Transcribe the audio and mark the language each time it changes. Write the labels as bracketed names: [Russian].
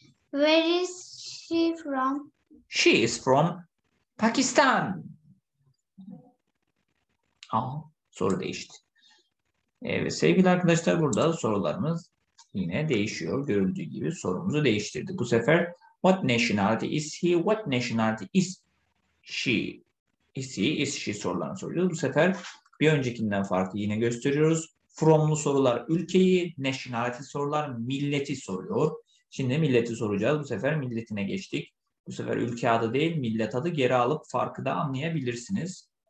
[English] Where is she from? She is from Pakistan. [Turkish] Aha, soru değişti. Evet sevgili arkadaşlar, burada sorularımız yine değişiyor. Görüldüğü gibi sorumuzu değiştirdi. Bu sefer [English] what nationality is he? What nationality is she? Is he, is she [Turkish] sorularını soruyoruz. Bu sefer bir öncekinden farklı yine gösteriyoruz. From'lu sorular ülkeyi, nationality sorular milleti soruyor. Şimdi milleti soracağız. Bu sefer milletine geçtik. Bu sefer ülke adı değil, millet adı, geri alıp farkı da anlayabilirsiniz.